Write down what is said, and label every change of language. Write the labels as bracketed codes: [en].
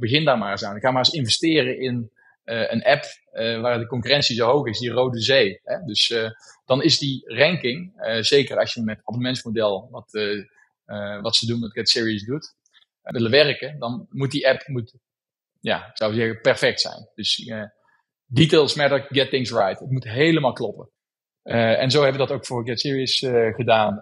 [nl] Begin daar maar eens aan. Ga maar eens investeren in een app waar de concurrentie zo hoog is, die Rode Zee. Hè? Dus dan is die ranking, zeker als je met abonnementsmodel, wat ze doen met Get Serious doet, willen werken, dan moet die app... Ja, ik zou zeggen perfect zijn. Dus [en] details matter, get things right. [nl] Het moet helemaal kloppen. En zo hebben we dat ook voor Get Serious gedaan.